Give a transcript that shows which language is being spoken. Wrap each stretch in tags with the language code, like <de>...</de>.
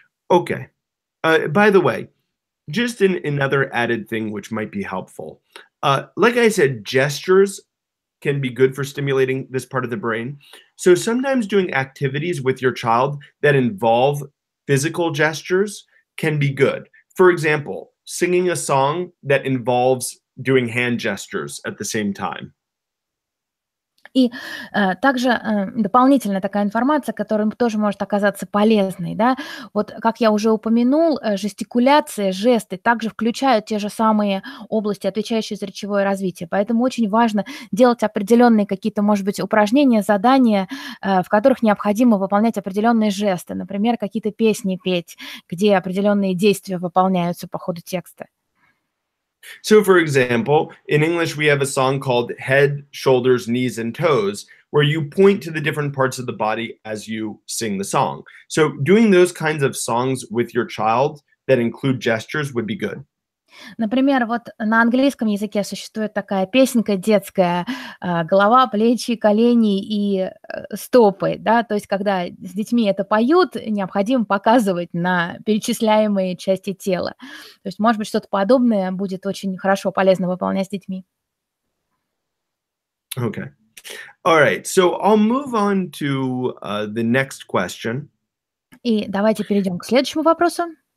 <en>Okay. By the way, Just another added thing which might be helpful. Like I said, gestures can be good for stimulating this part of the brain. So sometimes doing activities with your child that involve physical gestures can be good. For example, singing a song that involves doing hand gestures at the same time.</en> <ru>И также дополнительная такая информация, которая тоже может оказаться полезной, да? Вот как я уже упомянул, жестикуляция, жесты также включают те же самые области, отвечающие за речевое развитие. Поэтому очень важно делать определенные какие-то, может быть, упражнения, задания, в которых необходимо выполнять определенные жесты. Например, какие-то песни петь, где определенные действия выполняются по ходу текста.</ru> <en>So, for example, in English we have a song called Head, Shoulders, Knees, and Toes, where you point to the different parts of the body as you sing the song. So, doing those kinds of songs with your child that include gestures would be good.</en> <ru>Например, вот на английском языке существует такая песенка детская «Голова, плечи, колени и стопы». Да? То есть, когда с детьми это поют, необходимо показывать на перечисляемые части тела. То есть, может быть, что-то подобное будет очень хорошо, полезно выполнять с детьми.</ru> <en>Okay. All right. So, I'll move on to the next question.</en> <ru>И давайте перейдем к следующему вопросу.</ru>